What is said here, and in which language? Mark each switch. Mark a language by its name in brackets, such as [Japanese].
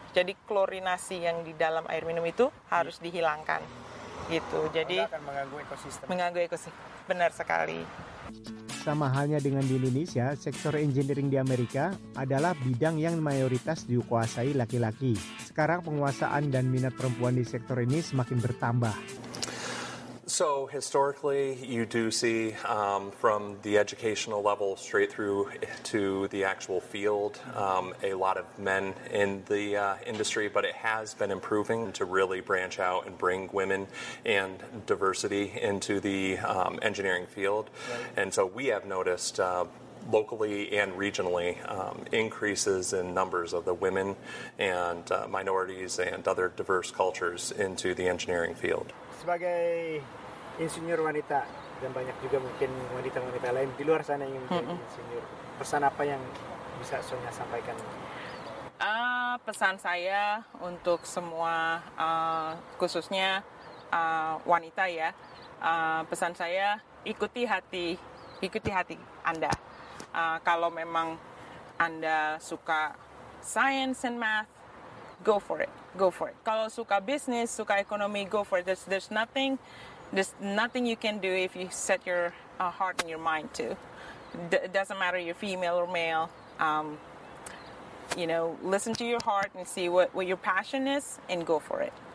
[Indonesian] Jadi klorinasi yang di dalam air minum itu harus dihilangkan. Gitu. Jadi akan mengganggu ekosistem. Mengganggu ekosistem. Benar sekali. Sama halnya dengan di Indonesia, sektor engineering di Amerika adalah bidang yang mayoritas dikuasai laki-laki. Sekarang penguasaan dan minat perempuan di sektor ini semakin bertambah. [English] So historically, you do see from the educational level straight through to the actual field a lot of men in the industry, but it has been improving to really branch out and bring women and diversity into the engineering field. Right. And so we have noticed locally and regionally increases in numbers of the women and minorities and other diverse cultures into the engineering field. [Indonesian] Sebagai insinyur wanita, dan banyak juga mungkin wanita-wanita lain di luar sana yang ingin menjadi insinyur. Pesan apa yang bisa Sonya sampaikan? Pesan saya untuk semua, khususnya wanita ya, pesan saya ikuti hati Anda. Kalau memang Anda suka [English] science and math, go for it, go for it. [Indonesian] Kalau suka bisnis, suka ekonomi, [English] go for it. There's nothing you can do if you set your heart and your mind to. It doesn't matter you're female or male. You know, listen to your heart and see what your passion is and go for it.